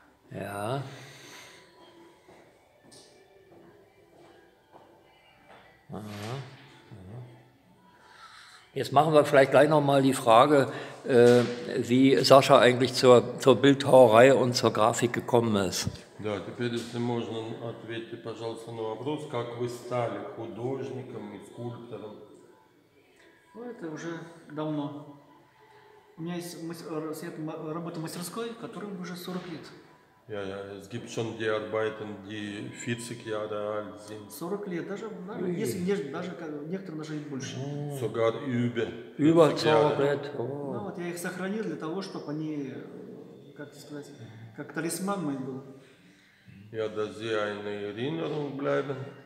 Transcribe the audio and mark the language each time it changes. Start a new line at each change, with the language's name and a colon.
German: Ja. Jetzt machen wir vielleicht gleich nochmal die Frage, wie Sascha eigentlich zur Bildhauerei und zur Grafik gekommen ist.
Russian: Да, теперь если можно, ответьте, пожалуйста, на вопрос, как вы стали художником и скульптором. Ну, это уже давно. У меня есть работа в мастерской, которой уже 40 лет.
German: Ja, ja, es gibt schon die Arbeiten, die 40 Jahre alt sind.
Russian: 40 лет, даже, если нет, даже некоторые даже и больше.
German: Sogar über. Über
Russian: 40 лет. Ну вот я их сохранил для того, чтобы они, как сказать, как талисман мой был.
German: Ja, dass sie eine Erinnerung bleiben.